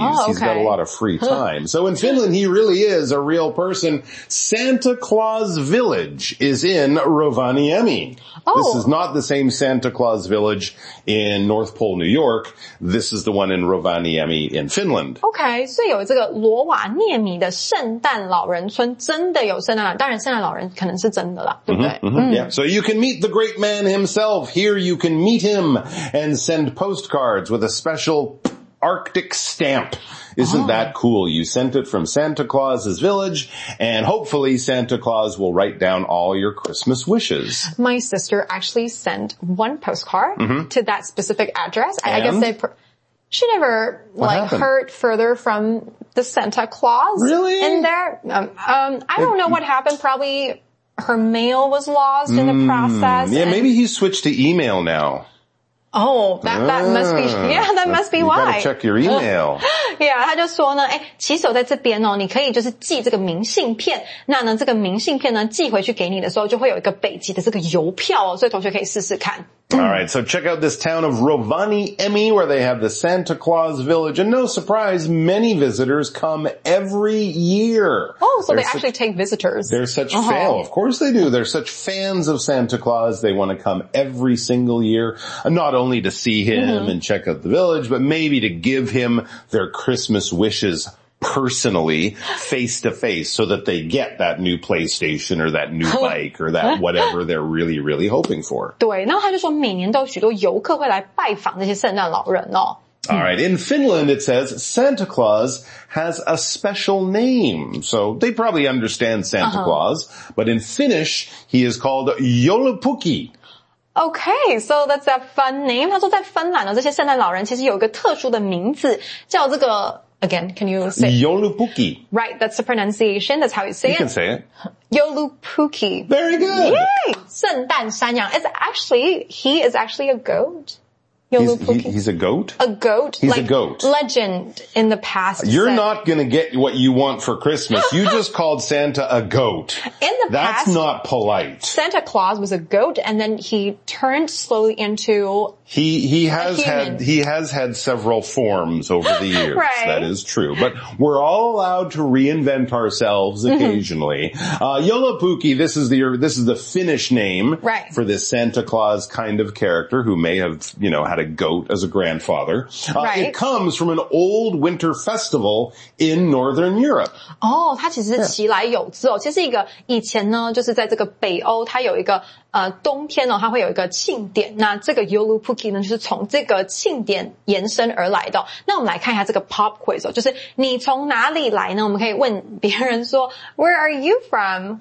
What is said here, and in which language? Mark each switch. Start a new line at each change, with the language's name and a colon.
English: Oh, okay. He's got a lot of free time. So in Finland, he really is a real person. Santa Claus Village is in Rovaniemi. Oh. This is not the same Santa Claus Village in North Pole, New York. This is the one in Rovaniemi in Finland. Okay, so
Chinese: 有这个罗瓦涅米的圣诞老人村真的有圣诞老人，当然圣诞老人可能是真的了，对不对？
English: Mm-hmm, mm-hmm, yeah. So you can meet the great man himself. Here you can meet him and send postcards with a special Arctic stamp. Isn't that cool? You sent it from Santa Claus's village, and hopefully Santa Claus will write down all your Christmas wishes. My sister actually sent one postcard to that specific address. And? I guess they... She never, heard further from the Santa Claus. Really? In there. I don't know what happened. Probably her mail was lost in the process. Yeah, maybe he switched to email now. Oh, that must be why. You gotta check your email.
Chinese: Yeah, 他就说呢，哎，骑手在这边哦，你可以就是寄这个明信片。那呢，这个明信片呢，寄回去给你的时候，就会有一个北极的这个邮票哦，所以同学可以试试看。
English: All right, so check out this town of Rovaniemi where they have the Santa Claus Village. And no surprise, many visitors come every year. Oh, so they actually take visitors. They're such fans. Of course they do. They're such fans of Santa Claus. They want to come every single year, not only to see him and check out the village, but maybe to give him their Christmas wishes personally, face to face, so that they get that new PlayStation or that new bike or that whatever they're really, really hoping for.
Chinese: 对，那他就说每年都有许多游客会来拜访这些圣诞老人哦。
English: All right, in Finland it says Santa Claus has a special name. So they probably understand Santa Claus, but in Finnish he is called Joulupukki. Okay, so that's a fun name.
Chinese: 他说在芬兰呢，这些圣诞老人其实有一个特殊的名字，叫这个。
English: Again, can you say Joulupukki? Right, that's the pronunciation. That's how you say it. You can say it. Joulupukki. Very good. Yay!
Chinese: 圣诞山羊.
English: He is actually a goat. Joulupukki. He's a goat? A goat. He's a goat. Legend in the past. You're not going to get what you want for Christmas. You just called Santa a goat. In the past. That's not polite. Santa Claus was a goat and then he turned slowly into He has had several forms over the years. Right. That is true. But we're all allowed to reinvent ourselves occasionally. Joulupukki, this is the Finnish name for this Santa Claus kind of character who may have, you know, had a goat as a grandfather. It comes from an old winter festival in Northern Europe.
Chinese: Oh, 它其实是其来有自哦，其实一个以前呢，就是在这个北欧，它有一个。冬天哦，它会有一个庆典。那这个 Joulupukki 呢，就是从这个庆典延伸而来的。那我们来看一下这个 pop quiz 哦，就是你从哪里来呢？我们可以问别人说
English: Where are you from？